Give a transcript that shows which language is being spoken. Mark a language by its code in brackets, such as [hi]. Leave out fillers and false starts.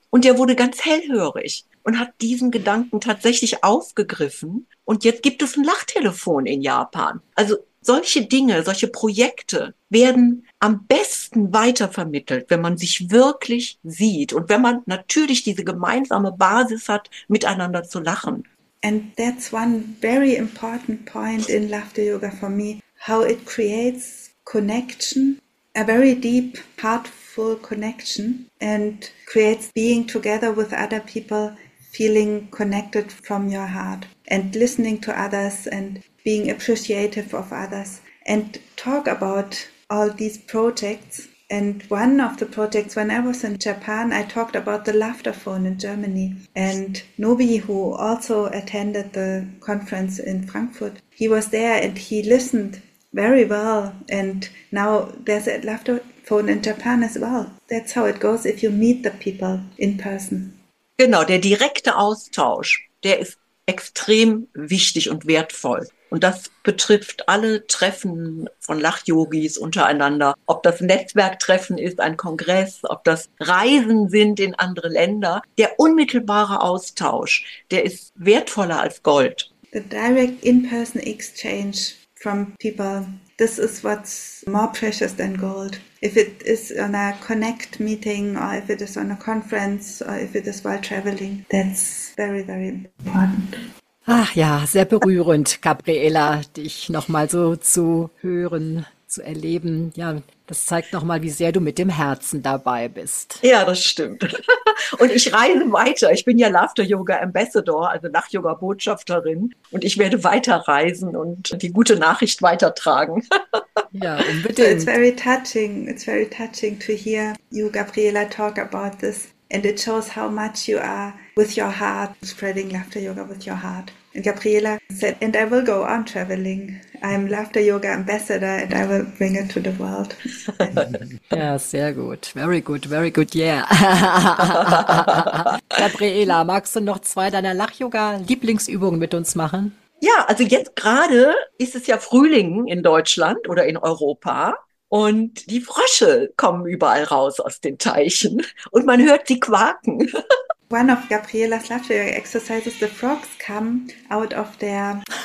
[de] Und der wurde ganz hellhörig und hat diesen Gedanken tatsächlich aufgegriffen. Und jetzt gibt es ein Lachtelefon in Japan. Also solche Dinge, solche Projekte werden am besten weitervermittelt, wenn man sich wirklich sieht und wenn man natürlich diese gemeinsame Basis hat, miteinander zu lachen. [en] And that's one very important point in Laughter Yoga for me, how it creates connection, a very deep, heartful connection and creates being together with other people, feeling connected from your heart and listening to others and being appreciative of others. And talk about all these projects. And one of the projects, when I was in Japan, I talked about the Laughter Phone in Germany. And Nobi, who also attended the conference in Frankfurt, he was there and he listened very well. And now there's a Laughter Phone in Japan as well. That's how it goes if you meet the people in person. [de] Genau, der direkte Austausch, der ist extrem wichtig und wertvoll. Und das betrifft alle Treffen von Lachyogis untereinander. Ob das Netzwerktreffen ist, ein Kongress, ob das Reisen sind in andere Länder. Der unmittelbare Austausch, der ist wertvoller als Gold. [en] The direct in-person exchange from people, this is what's more precious than gold. If it is on a connect meeting or if it is on a conference or if it is while traveling, that's very, very important. [de] Ach ja, sehr berührend, Gabriela, dich nochmal so zu hören, zu erleben. Ja, das zeigt nochmal, wie sehr du mit dem Herzen dabei bist. Ja, das stimmt. Und ich reise weiter. Ich bin ja Laughter Yoga Ambassador, also Lach-Yoga-Botschafterin. Und ich werde weiter reisen und die gute Nachricht weitertragen. Ja, unbedingt. [en] It's very touching to hear you, Gabriela, talk about this. And it shows how much you are with your heart, spreading laughter yoga with your heart. And Gabriela said, and I will go on traveling. I'm laughter yoga ambassador and I will bring it to the world. [de] Ja, sehr gut. [en] Very good, very good, yeah. [de] Gabriela, magst du noch zwei deiner Lach-Yoga-Lieblingsübungen mit uns machen? Ja, also jetzt gerade ist es ja Frühling in Deutschland oder in Europa. Und die Frösche kommen überall raus aus den Teichen und man hört sie quaken. [en] One of Gabrielas Laughter exercises, the frogs come out of their...